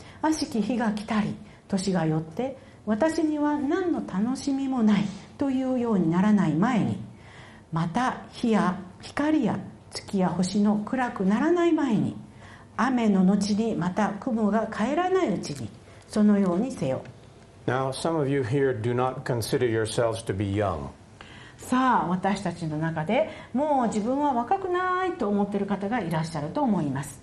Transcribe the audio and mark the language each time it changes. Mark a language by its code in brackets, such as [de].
[ja] 悪しき日が来たり年が寄って、私には何の楽しみもないというようにならない前に、また日や光や月や星の暗くならない前に、雨の後にまた雲が帰らないうちに、そのようにせよ。 [en] Now, some of you here do not consider yourselves to be young. [ja] さあ、私たちの中でもう自分は若くないと思っている方がいらっしゃると思います。